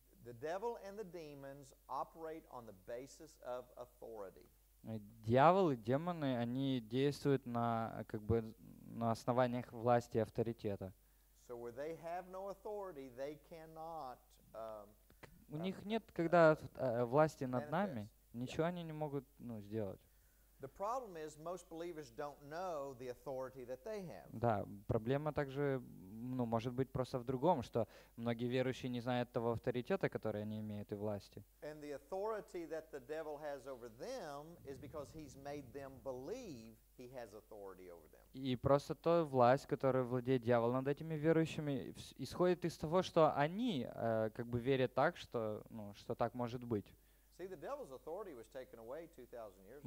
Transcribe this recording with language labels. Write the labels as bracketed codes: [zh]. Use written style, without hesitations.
[en] The devil and the demons operate on the basis of authority. [ru] Дьявол и демоны, они действуют на, как бы, на основаниях власти и авторитета. [en] So where they have no authority, they cannot, [ru] у них нет, когда власти над нами, ничего они не могут, ну, сделать. [en] The problem is most believers don't know the authority that they have. [ru] Да, проблема также, ну, может быть просто в другом, что многие верующие не знают того авторитета, который они имеют, и власти. [en] And the authority that the devil has over them is because he's made them believe he has authority over them. [ru] И просто та власть, которую владеет дьявол над этими верующими, исходит из того, что они как бы верят так, что, ну, что так может быть. [en] See, the devil's authority was taken away 2,000 years ago.